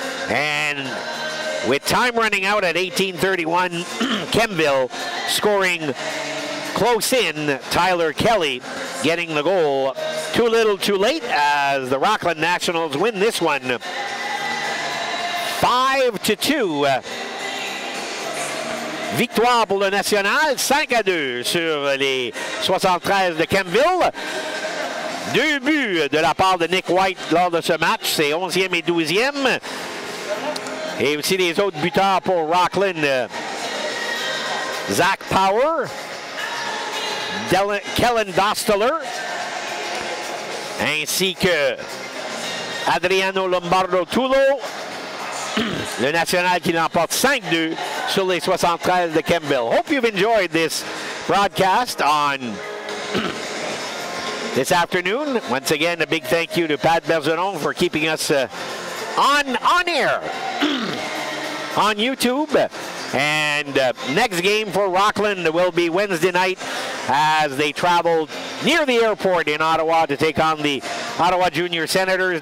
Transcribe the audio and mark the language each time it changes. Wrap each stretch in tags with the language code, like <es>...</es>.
<en>And with time running out at 18:31, Kemptville scoring close in, Tyler Kelly getting the goal. Too little too late as the Rockland Nationals win this one 5-2.</en> <fr>Victoire pour le National, 5-2 sur les 73 de Kemptville. 2 buts de la part de Nick White lors de ce match, c'est 11e et 12e. Et aussi les autres buteurs pour Rockland. Zach Power, Kellen Dostler, ainsi que Adriano Lombardo Tulo. Le National qui l'emporte 5-2 sur les 73 de Kemptville.</fr> <en>Hope you've enjoyed this broadcast on this afternoon. Once again, a big thank you to Pat Bergeron for keeping us on air on YouTube. And next game for Rockland will be Wednesday night as they travel near the airport in Ottawa to take on the Ottawa Junior Senators.</en>